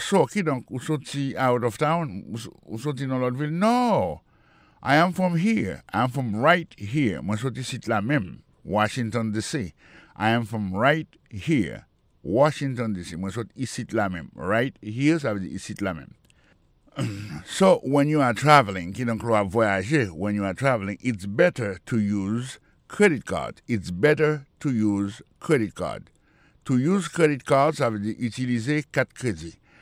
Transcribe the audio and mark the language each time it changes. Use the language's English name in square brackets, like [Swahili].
[French] So, qui donc, ou sorti [English] out of town, [French] ou sorti dans l'autre ville? [English] No! I am from here. I am from right here. [French] Moi, je suis ici là-même, Washington DC. [English] I am from right here, Washington DC. [French] Moi, je suis ici là-même. [English] Right here, [French] ça veut dire ici là-même. [English] So, when you are traveling, [French] qui donc l'on a voyagé, [English] when you are traveling, it's better to use credit card. It's better to use credit card. To use credit card, [French] ça veut dire utiliser carte crédit.